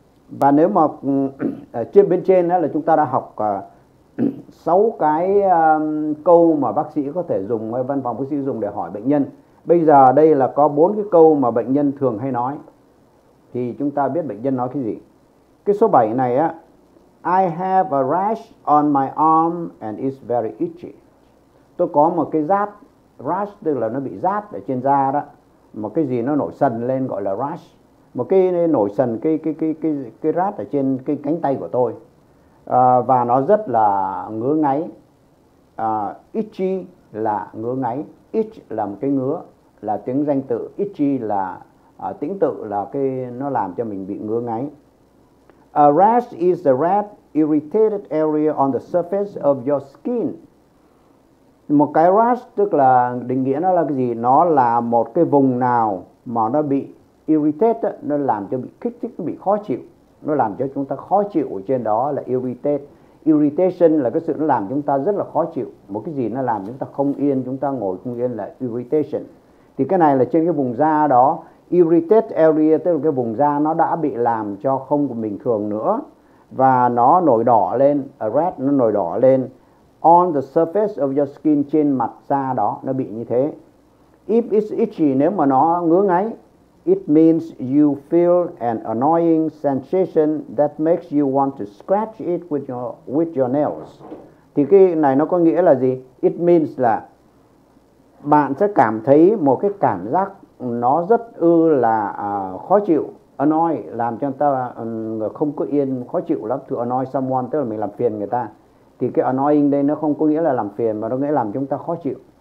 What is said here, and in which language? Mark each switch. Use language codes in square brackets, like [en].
[vi] Và nếu mà trên bên trên đó là chúng ta đã học 6 cái câu mà bác sĩ có thể dùng, văn phòng bác sĩ dùng để hỏi bệnh nhân. Bây giờ đây là có 4 cái câu mà bệnh nhân thường hay nói. Thì chúng ta biết bệnh nhân nói cái gì. Cái số 7 này á, [en] I have a rash on my arm and it's very itchy. [vi] Tôi có một cái rát, rash tức là nó bị rát ở trên da đó. Một cái gì nó nổi sần lên gọi là rash. Một cái nổi sần cái rát ở trên cái cánh tay của tôi. Và nó rất là ngứa ngáy. Itchy là ngứa ngáy. Itch là một cái ngứa, là tiếng danh tự. Itchy là tính tự, là cái nó làm cho mình bị ngứa ngáy. [en] A rash is a red irritated area on the surface of your skin. [vi] Một cái rash tức là định nghĩa nó là cái gì? Nó là một cái vùng nào mà nó bị irritate, nó làm cho bị kích thích, bị khó chịu. Nó làm cho chúng ta khó chịu ở trên đó là irritate. Irritation là cái sự nó làm chúng ta rất là khó chịu. Một cái gì nó làm chúng ta không yên, chúng ta ngồi không yên là irritation. Thì cái này là trên cái vùng da đó. Irritate area tức là cái vùng da nó đã bị làm cho không bình thường nữa. Và nó nổi đỏ lên, [en] a red [vi] nó nổi đỏ lên. [en] On the surface of your skin, [vi] trên mặt da đó, nó bị như thế. [en] If it's itchy, [vi] nếu mà nó ngứa ngáy, [en] it means you feel an annoying sensation that makes you want to scratch it with your nails. [vi] Thì cái này nó có nghĩa là gì? [en] It means [vi] là bạn sẽ cảm thấy một cái cảm giác nó rất ư là khó chịu. Annoy, làm cho người ta không có yên, khó chịu lắm. To annoy someone, tức là mình làm phiền người ta. Thì cái annoying đây nó không có nghĩa là làm phiền, mà nó nghĩa làm chúng ta khó chịu.